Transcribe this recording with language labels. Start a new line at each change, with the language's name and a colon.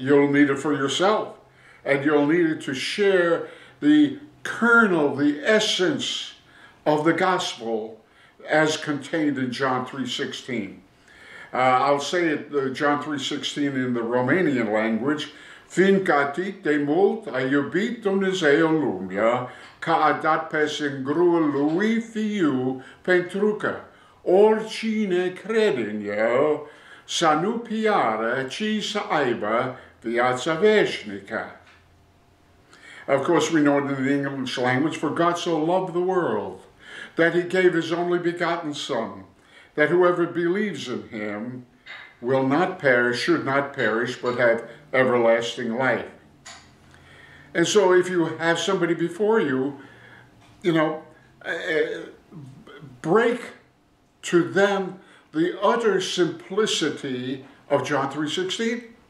English: You'll need it for yourself. And you'll need it to share the kernel, the essence of the gospel as contained in John 3:16. I'll say it, John 3:16 in the Romanian language.
Romanian: Fincati de mult a iubit Dumnezeu lumea, ca a dat pe singurul lui fiu pentru ca oricine crede in el să nu piară, ci să aibă viața veșnică.
English: Of course, we know it in the English language, for God so loved the world that he gave his only begotten Son, that whoever believes in him will not perish, should not perish, but have everlasting life. And so if you have somebody before you, you know, break to them the utter simplicity of John 3:16.